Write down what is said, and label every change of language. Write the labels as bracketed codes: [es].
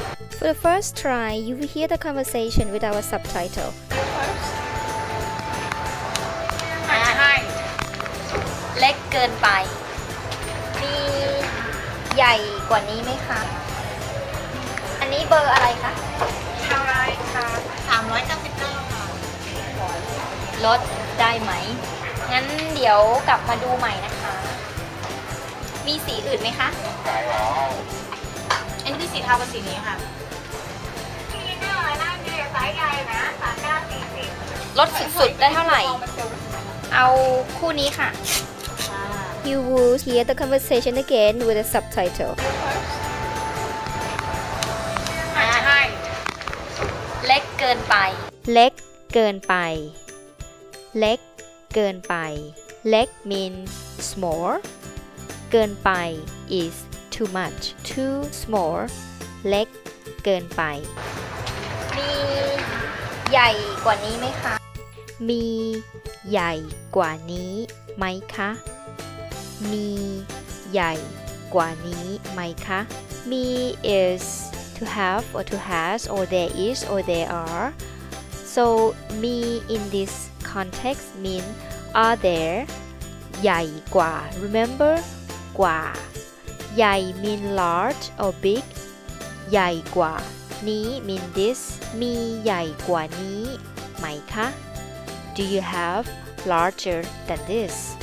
[en] For the first try, you will hear the conversation with our subtitle. Hi. [th] เล็กเกินไปมีใหญ่กว่านี้ไหมคะอันนี้เบอร์อะไรคะ เท่าไรคะ 399ค่ะ ลดได้ไหมงั้นเดี๋ยวกลับมาดูใหม่นะคะมีสีอื่นไหมคะ อันนี้สีเทากับสีนี้ค่ะ สีน่ารักน่าดีสายใหญ่นะ3940 ลดสุดๆได้เท่าไหร่เอาคู่นี้ค่ะ [en] You will hear the conversation again with a subtitle. Hi. [th] เล็กเกินไป เล็กเกินไปเล็กเกินไปเล็ก [en] means small. [th] เกินไป [en] is too much, too small. [th] เล็กเกินไป มีใหญ่กว่านี้ไหมคะ มีใหญ่กว่านี้ไหมคะมีใหญ่กว่านี้ไหมคะ [en] Me is to have or to has or there is or there are. So me in this context mean are there. [th] ใหญ่กว่า [en] remember [th] กว่าใหญ่ [en] mean large or big. [th] ใหญ่กว่านี้ [en] mean this. [th] มีใหญ่กว่านี้ไหมคะ [en] Do you have larger than this?